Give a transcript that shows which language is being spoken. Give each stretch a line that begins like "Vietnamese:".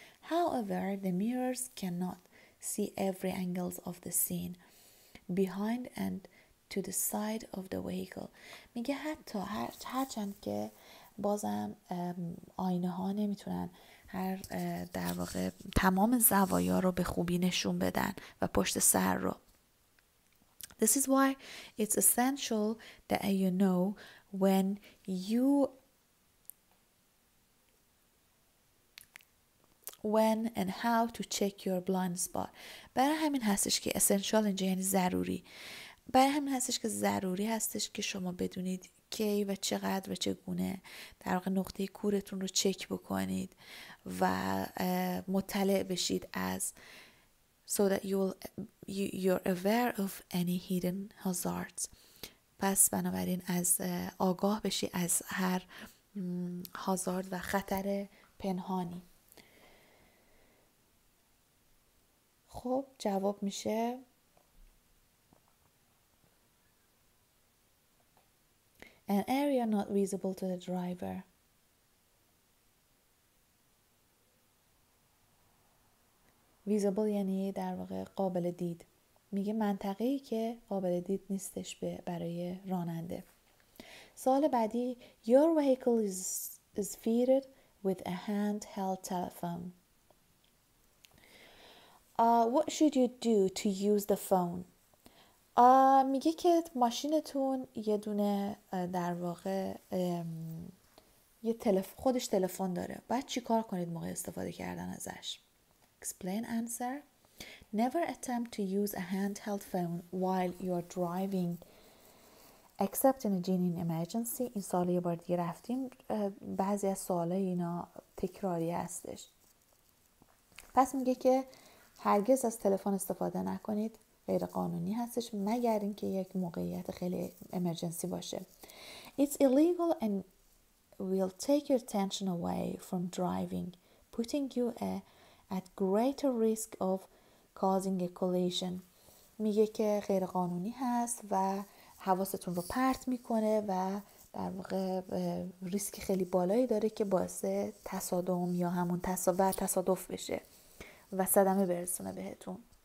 English: However, the mirrors cannot see every angles of the scene behind and to the side of the vehicle.
Persian: میگه حتی هرچند که بازم آینه ها نمیتونن هر در واقع تمام زوایا رو به خوبی نشون بدن و پشت سر رو.
English: This is why it's essential that you know when you when and how to check your blind spot.
Persian: برای همین هستش که essential اینجا یعنی ضروری. برای همین هستش که ضروری هستش که شما بدونید کی و چقدر و چگونه در واقع نقطه کورتون رو چک بکنید و مطلع بشید از
English: so that you're aware of any hidden hazards.
Persian: پس بنابراین از آگاه بشی از هر هازارد و خطر پنهانی. خب جواب میشه
English: an area not visible to the driver.
Persian: Visible یعنی در واقع قابل دید. میگه منطقه‌ای که قابل دید نیستش به برای راننده. سوال بعدی
English: Your vehicle is fitted with a handheld telephone. What should you do to use the phone?
Persian: میگه که ماشینتون یه دونه در واقع یه تلفن خودش تلفن داره. بعد چی کار کنید موقع استفاده کردن ازش؟
English: Explain answer. Never attempt to use a handheld phone while you're driving except in a genuine emergency.
Persian: این سوال یه بار دیگه رفتیم، بعضی از سوال اینا تکراری هستش. پس میگه که هرگز از تلفن استفاده نکنید، غیر قانونی هستش مگر اینکه یک موقعیت خیلی emergency باشه.
English: It's illegal and will take your attention away from driving, putting you at greater risk of causing a collision.
Persian: میگه که غیر قانونی هست و حواستون رو پرت میکنه و در واقع ریسک خیلی بالایی داره که باعث تصادم یا همون تصادف بشه و صدمه برسونه بهتون.